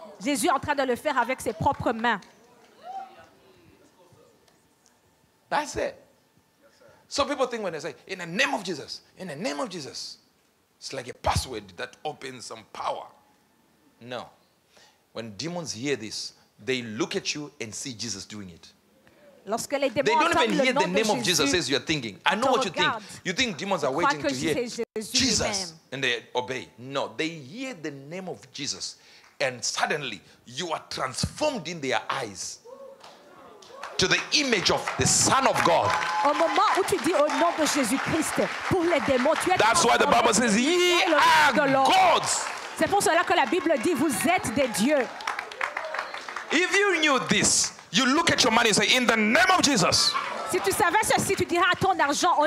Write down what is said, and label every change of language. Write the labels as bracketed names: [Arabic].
[French] Jésus en train de le faire avec ses propres mains. [English] That's it. So people think when they say, in the name of Jesus, in the name of Jesus. It's like a password that opens some power. No. When demons hear this, they look at you and see Jesus doing it. [French] Lorsque les démons [English] they don't even hear the name Jesus of Jesus, says you're thinking. I know what you think. You think demons are waiting to hear Jesus and they obey. No, they hear the name of Jesus and suddenly you are transformed in their eyes to the image of the Son of God. That's why the Bible says, ye are gods. [French] C'est pour cela que la Bible dit, vous êtes des dieux. [English] If you knew this, you look at your money and say, in the name of Jesus. [French] Si tu savais ceci, tu dirais à ton argent, au